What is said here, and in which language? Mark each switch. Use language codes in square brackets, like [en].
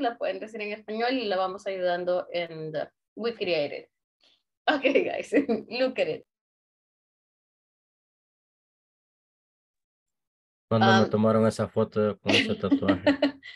[es] La pueden decir en español y la vamos ayudando. [en] And we create it. Okay, guys. Look at it. [es] Cuando me tomaron esa foto con ese tatuaje.